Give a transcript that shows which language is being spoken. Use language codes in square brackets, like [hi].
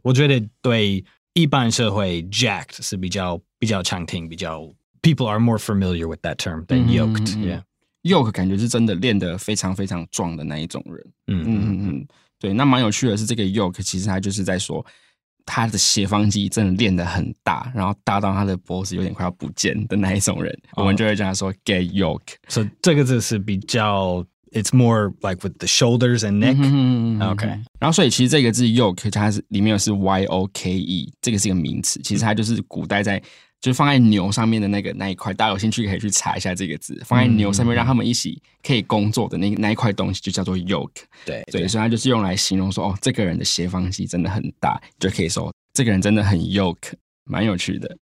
[zh] 我觉得对一般社会 jacked 是比较常听，比较 [en] people are more familiar with that term than yoked. [zh] Yoke 感觉是真的练得非常非常壮的那一种人。对，那蛮有趣的是这个 yoke 其实他就是在说他的斜方肌真的练得很大，然后大到他的脖子有点快要不见的那一种人。我们就会叫他说 [en] get yoked. So [zh] 这个字是比较 [en] it's more like with the shoulders and neck. Okay. [zh] 然后所以其实这个字 yoke 它里面是 y-o-k-e, 这个是一个名词，其实它就是古代在就放在牛上面的那一块，大家有兴趣可以去查一下这个字，放在牛上面让他们一起可以工作的那一块东西就叫做 yoke。对，所以它就是用来形容说，哦，这个人的斜方肌真的很大，就可以说这个人真的很 yoke, 蛮有趣的。